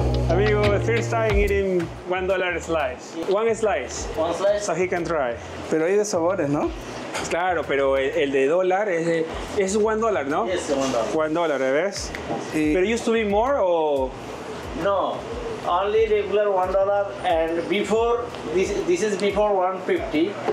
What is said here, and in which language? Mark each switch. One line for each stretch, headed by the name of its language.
English: Amigo, first time eating $1 slice. One slice. One slice. So he can try.
Spanish: Pero hay de sabores, ¿no? Claro, pero el de dólar es de, es $1, ¿no?
English: Yes, $1. $1,
Spanish: ¿ves? Y pero
English: used to be more o
Spanish: no.
English: Only regular $1, and before this is before $1.50.